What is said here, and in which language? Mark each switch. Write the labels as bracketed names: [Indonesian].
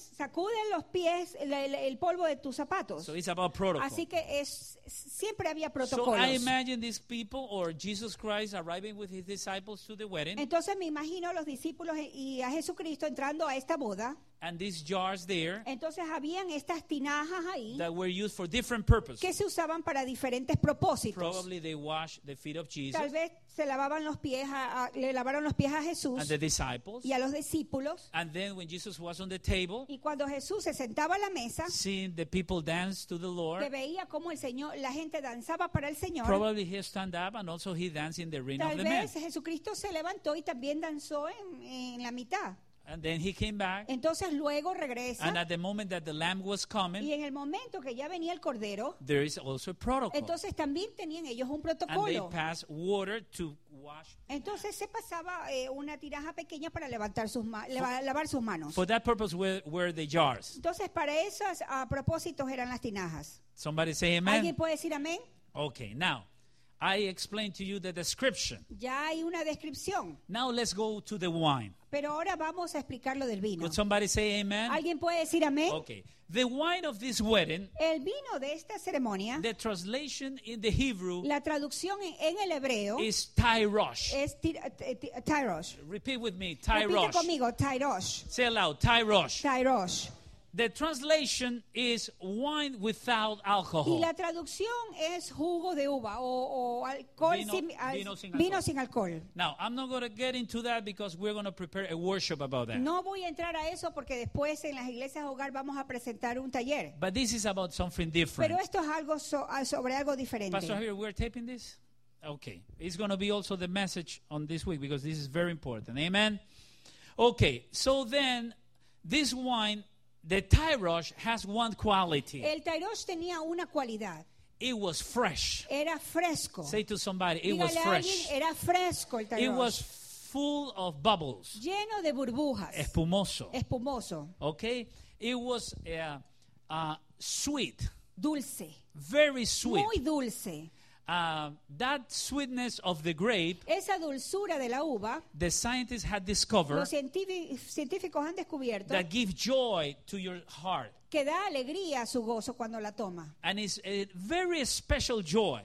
[Spanish] Entonces sacuden los pies. Es el polvo de tus zapatos. [English] So it's about protocol. [Spanish] Así que siempre había protocolos. [English] So I imagine these people or Jesus Christ arriving with his disciples to the wedding. [Spanish] Entonces me imagino los discípulos y a Jesucristo entrando a esta boda. [English] And these jars there. [Spanish] Entonces habían estas tinajas ahí. [English] That were used for different purposes. [Spanish] Que se usaban para diferentes propósitos. [English] Probably they washed the feet of Jesus. [Spanish] Tal vez se lavaban los pies le lavaron los pies a Jesús. [English] And the disciples. [Spanish] Y a los discípulos. [English] And then when Jesus was on the table. [Spanish] Y cuando Jesús se sentaba a la mesa. [English] Seeing the people dance to the Lord. [Spanish] Que veía cómo el Señor la gente danzaba para el Señor. [English] Probably he stand up and also he danced in the ring of the men. [Spanish] Tal vez Jesucristo se levantó y también danzó en la mitad. [English] And then he came back. [Spanish] Entonces luego regresa. [English] And at the moment that the lamb was coming. [Spanish] Y en el momento que ya venía el cordero. [English] There is also a protocol. [Spanish] Entonces también tenían ellos un protocolo. [English] And they passed water to wash. [Spanish] Entonces se pasaba una tiraja pequeña para levantar lavar sus manos. [English] For that purpose were the jars. [Spanish] Entonces para esos propósitos eran las tinajas. [English] Somebody say amen. [Spanish] ¿Alguien puede decir amén? [English] Okay, now. I explained to you the description. [Spanish] Ya hay una descripción. [English] Now let's go to the wine. [Spanish] Pero ahora vamos a explicar lo del vino. [English] Could somebody say amen? [Spanish] ¿Alguien puede decir amén? [English] Okay. The wine of this wedding. [Spanish] El vino de esta ceremonia. [English] The translation in the Hebrew. [Spanish] La traducción en el hebreo. [English] Is Tyrosh. [Spanish] Es Tyrosh. [English] Repeat with me. Tyrosh. [Spanish] Repite conmigo. Tyrosh. [English] Say aloud. Tyrosh. [Hebrew] Tyrosh. [English] The translation is wine without alcohol. [Spanish] Y la traducción es jugo de uva o alcohol vino sin alcohol. [English] Now, I'm not going to get into that because we're going to prepare a worship about that. [Spanish] No voy a entrar a eso porque después en las iglesias hogar vamos a presentar un taller. [English] But this is about something different. [Spanish] Pero esto es algo sobre algo diferente. [English] Pastor Javier, we're taping this? Okay. It's going to be also the message on this week because this is very important. Amen? Okay. So then, this wine... The Tyrosh has one quality. [Spanish] El Tyrosh tenía una cualidad. [English] It was fresh. [Spanish] Era fresco. [English] Say to somebody, it was fresh. [Spanish] Era fresco el Tyrosh. [English] It was full of bubbles. [Spanish] Lleno de burbujas. Espumoso. Espumoso. [English] Okay. It was sweet. [Spanish] Dulce. [English] Very sweet. [Spanish] Muy dulce. [English] That sweetness of the grape, [Spanish] esa dulzura de la uva, [English] the scientists had discovered, [Spanish] los científicos han descubierto, [English] that give joy to your heart. [Spanish] que da alegría a su gozo cuando la toma. [English] And it's a very special joy.